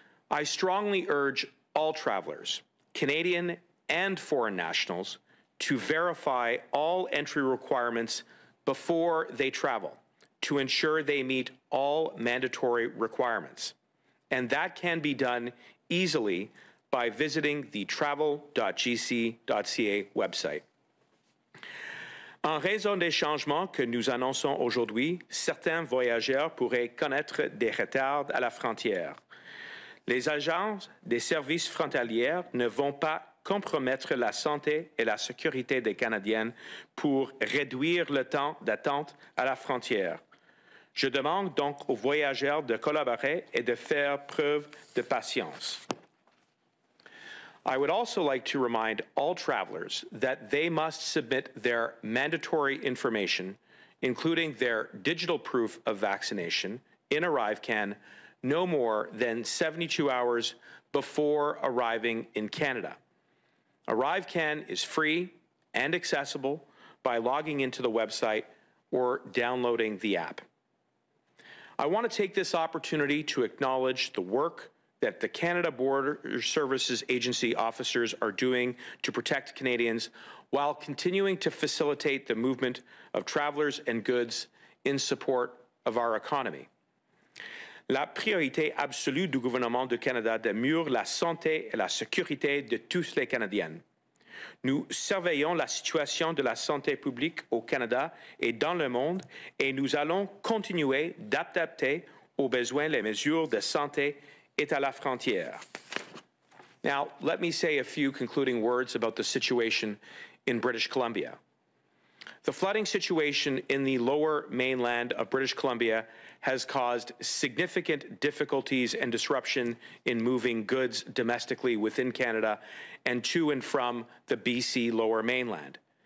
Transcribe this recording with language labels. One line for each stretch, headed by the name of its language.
English: I strongly urge all travelers, Canadian and foreign nationals, to verify all entry requirements before they travel to ensure they meet all mandatory requirements. And that can be done easily by visiting the travel.gc.ca website.
French: En raison des changements que nous annonçons aujourd'hui, certains voyageurs pourraient connaître des retards à la frontière. Les agences des services frontalières ne vont pas compromettre la santé et la sécurité des Canadiens pour réduire le temps d'attente à la frontière. Je demande donc aux voyageurs de collaborer et de faire preuve de patience.
English: I would also like to remind all travelers that they must submit their mandatory information, including their digital proof of vaccination, in ArriveCan no more than 72 hours before arriving in Canada. ArriveCan is free and accessible by logging into the website or downloading the app. I want to take this opportunity to acknowledge the work that the Canada Border Services Agency officers are doing to protect Canadians while continuing to facilitate the movement of travelers and goods in support of our economy.
French: La priorité absolue du gouvernement du Canada demeure la santé et la sécurité de tous les Canadiens. Nous surveillons la situation de la santé publique au Canada et dans le monde et nous allons continuer d'adapter aux besoins les mesures de santé est à la frontière.
English: Now, let me say a few concluding words about the situation in British Columbia. The flooding situation in the lower mainland of British Columbia has caused significant difficulties and disruption in moving goods domestically within Canada and to and from the BC lower mainland.